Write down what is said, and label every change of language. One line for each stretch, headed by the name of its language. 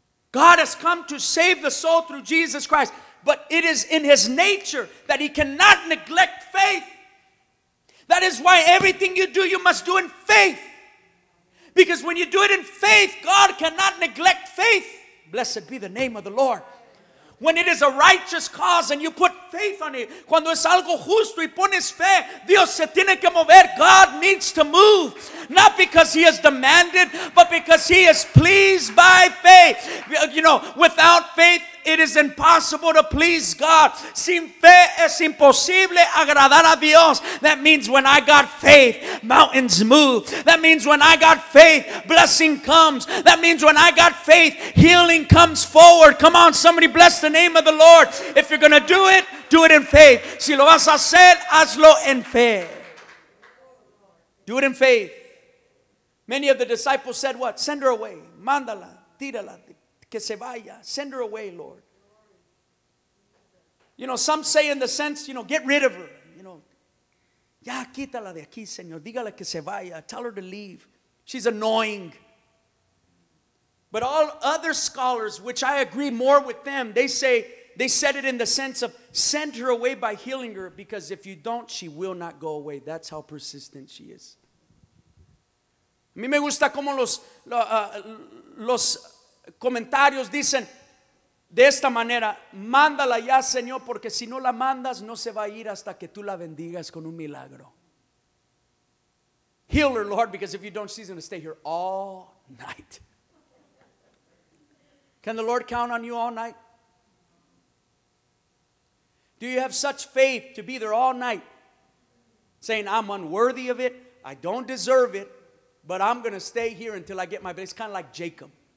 English: God has come to save the soul through Jesus Christ, but it is in his nature that he cannot neglect faith. That is why everything you do, you must do in faith. Because when you do it in faith, God cannot neglect faith. Blessed be the name of the Lord. When it is a righteous cause and you put faith on it.
Spanish: Cuando es algo justo y pones fe, Dios se tiene que mover.
English: God needs to move. Not because he has demanded, but because he is pleased by faith. Without faith, it is impossible to please God.
Spanish: Sin fe es imposible agradar a Dios.
English: That means when I got faith, mountains move. That means when I got faith, blessing comes. That means when I got faith, healing comes forward. Come on, somebody bless the name of the Lord. If you're going to do it, Do it in faith.
Spanish: Si lo vas a hacer, hazlo en fe.
English: Do it in faith. Many of the disciples said what? Send her away.
Spanish: Mándala, tírala, que se vaya.
English: Send her away, Lord. You know, some say in the sense, you know, get rid of her. You know,
Spanish: ya quítala de aquí, Señor. Dígale que se vaya.
English: Tell her to leave. She's annoying. But all other scholars, which I agree more with them, they said it in the sense of send her away by healing her, because if you don't, she will not go away. That's how persistent she is.
Spanish: A mí me gusta como los comentarios dicen de esta manera, mándala ya, Señor, porque si no la mandas, no se va a ir hasta que tú la bendigas con un milagro.
English: Heal her, Lord, because if you don't, she's going to stay here all night. Can the Lord count on you all night? Do you have such faith to be there all night, saying, I'm unworthy of it, I don't deserve it, but I'm going to stay here until I get my bed? It's kind of like Jacob.